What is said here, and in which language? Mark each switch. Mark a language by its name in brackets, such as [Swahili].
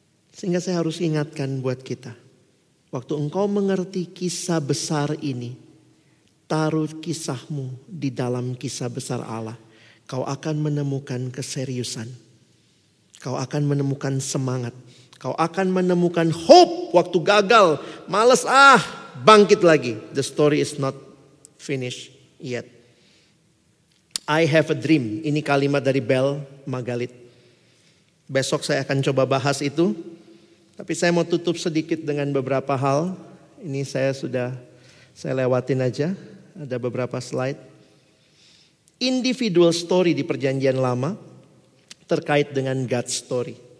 [Indonesian] Sehingga saya harus ingatkan buat kita. Waktu engkau mengerti kisah besar ini, taruh kisahmu di dalam kisah besar Allah. Kau akan menemukan keseriusan. Kau akan menemukan semangat. Kau akan menemukan hope waktu gagal. Males bangkit lagi. [English] The story is not finished yet. I have a dream. [Indonesian] Ini kalimat dari Bell Magalit. Besok saya akan coba bahas itu. Tapi saya mau tutup sedikit dengan beberapa hal. Ini saya lewatin aja. Ada beberapa slide. Individual story di Perjanjian Lama terkait dengan God story.